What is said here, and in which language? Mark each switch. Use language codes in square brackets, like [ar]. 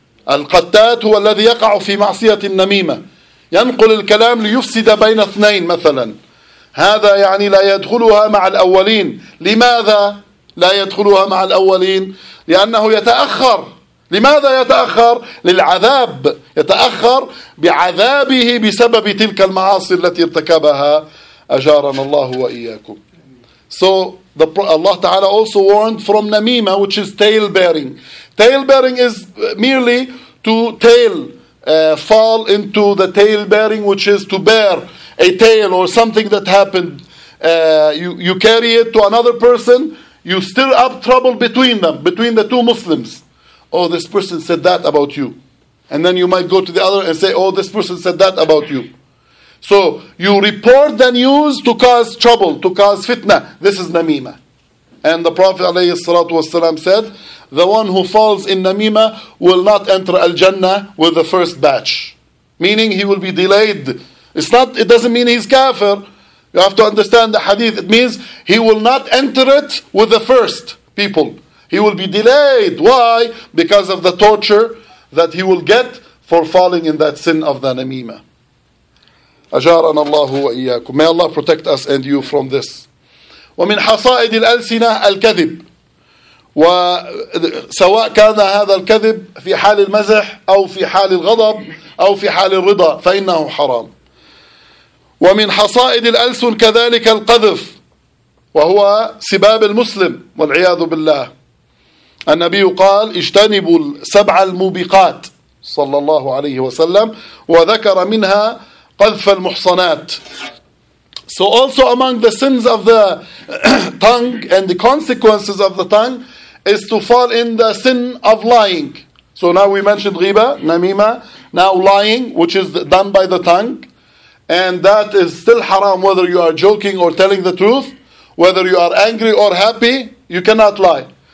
[ar] القتات هو الذي يقع في معصية النميمة، ينقل الكلام ليفسد بين اثنين مثلا، هذا يعني لا يدخلها مع الأولين. لماذا لا يدخلها مع الأولين؟ لأنه يتأخر. لماذا يتأخر؟ للعذاب، يتأخر بعذابه بسبب تلك المعاصي التي ارتكبها، أجارنا الله وإياكم. [en] So Allah Ta'ala also warned from namima, which is tail bearing. Tail bearing is merely to tail, fall into the tail bearing, which is to bear a tail or something that happened. You carry it to another person, you stir up trouble between them, between the two Muslims. Oh, this person said that about you. And then you might go to the other and say, oh, this person said that about you. So you report the news to cause trouble, to cause fitna. This is namima. And the Prophet alayhi salatu wasalam said, the one who falls in namima will not enter al-jannah with the first batch. Meaning he will be delayed. It doesn't mean he's kafir. You have to understand the hadith. It means he will not enter it with the first people. He will be delayed. Why? Because of the torture that he will get for falling in that sin of the namima. [ar] أجارنا الله وإياكم. [en] May Allah protect us and you from this. [ar] ومن حصائد الألسنة الكذب. وسواء كان هذا الكذب في حال المزح أو في حال الغضب أو في حال الرضا فإنه حرام. ومن حصائد الألسن كذلك القذف، وهو سباب المسلم والعياذ بالله. النبي قال اجتنبوا السبع الموبقات صلى الله عليه وسلم، وذكر منها قذف المحصنات. [en] So also among the sins of the tongue and the consequences of the tongue is to fall in the sin of lying. So now we mentioned ghiba, namima, now lying, which is done by the tongue, and that is still haram whether you are joking or telling the truth, whether you are angry or happy, you cannot lie.